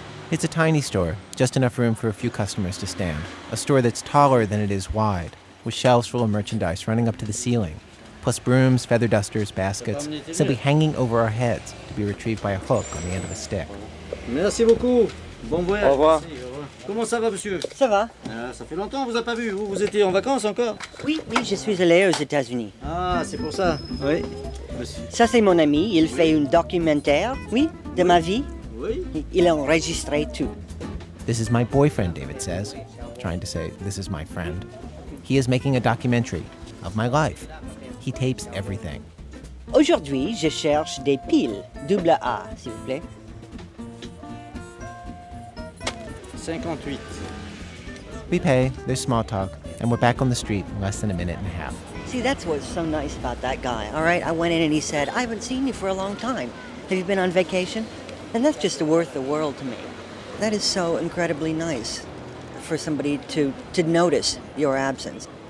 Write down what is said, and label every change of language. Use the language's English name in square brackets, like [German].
[English] It's a tiny store, just enough room for a few customers to stand. A store that's taller than it is wide, with shelves full of merchandise running up to the ceiling, plus brooms, feather dusters, baskets, simply hanging over our heads to be retrieved by a hook on the end of a stick. [French] Merci beaucoup. Bon voyage. Au revoir. Comment ça va, monsieur? Ça va. Ça fait longtemps, on vous a pas vu. Vous étiez en vacances encore? Oui, oui, je suis allé aux États-Unis. Ah, c'est pour ça. Oui. Ça, c'est mon ami. Il fait un documentaire, de ma vie. Oui. Il a enregistré tout. [English] This is my boyfriend, David says, trying to say, this is my friend. He is making a documentary of my life. He tapes everything. [French] Aujourd'hui, je cherche des piles, double A, s'il vous plaît. 58. [English] We pay, there's small talk, and we're back on the street in less than a minute and a half. See, that's what's so nice about that guy, all right? I went in and he said, I haven't seen you for a long time. Have you been on vacation? And that's just worth the world to me. That is so incredibly nice for somebody to notice your absence.